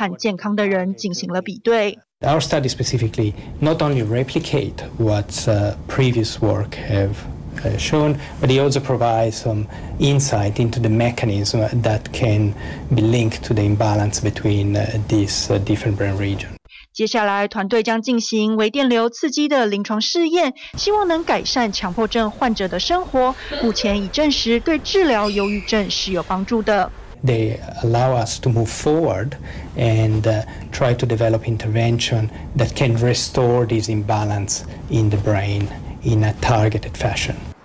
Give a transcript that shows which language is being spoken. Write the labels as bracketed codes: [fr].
[zh] 在澳洲，大约有50万人深受其扰。为了找出更有效的治疗方法，研究人员将强迫症患者的大脑和健康的人进行了比对。 [en] Our study specifically not only replicate what previous work have shown, but it also provides some insight into the mechanism that can be linked to the imbalance between these different brain regions. [zh] 接下来，团队将进行微电流刺激的临床试验，希望能改善强迫症患者的生活。目前已证实对治疗忧郁症是有帮助的。 [en] They allow us to move forward and try to develop intervention that can restore this imbalance in the brain in a targeted fashion.